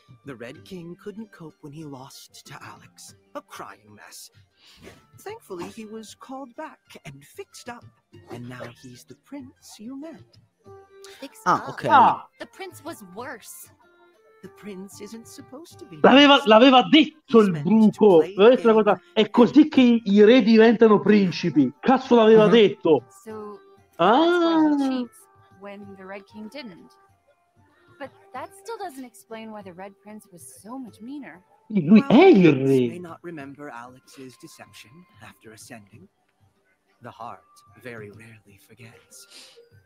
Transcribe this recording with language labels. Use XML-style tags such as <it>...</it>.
<en>The Red King couldn't cope when he lost to Alex. A crying mess. Thankfully, he was called back and fixed up. And now he's the prince you met. The prince was worse. The prince isn't supposed to be.</en> <it>L'aveva detto il bruco. La cosa. È così che i re diventano principi. Cazzo l'aveva detto.</it> <en>So, that's when the Red King didn't. But that still doesn't explain why the Red Prince was so much meaner.</en> <it>Lui è il re.</it> <en>May not remember Alex's deception after ascending. The heart very rarely forgets.</en>